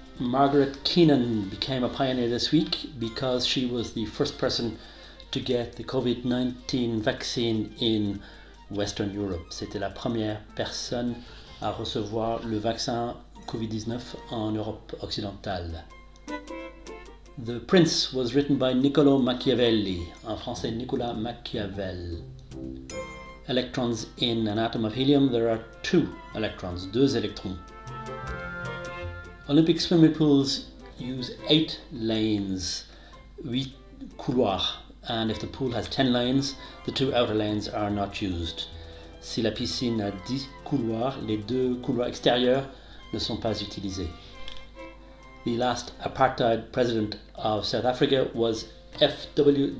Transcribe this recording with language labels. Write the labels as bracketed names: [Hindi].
[English] Margaret Keenan became a pioneer this week because she was the first person to get the COVID-19 vaccine in Western Europe. [French] C'était la première personne à recevoir le vaccin COVID-19 en Europe occidentale. [English] The Prince was written by Niccolo Machiavelli, [French] en français [English] Nicolas Machiavel. Electrons in an atom of helium, there are two electrons, [French] deux électrons. [English] Olympic swimming pools use 8 lanes, [French] 8 couloirs, [English] and if the pool has 10 lanes, the two outer lanes are not used. [French] Si la piscine a 10 couloirs, les deux couloirs extérieurs ne sont pas utilisés. [English] The last apartheid president of South Africa was F.W.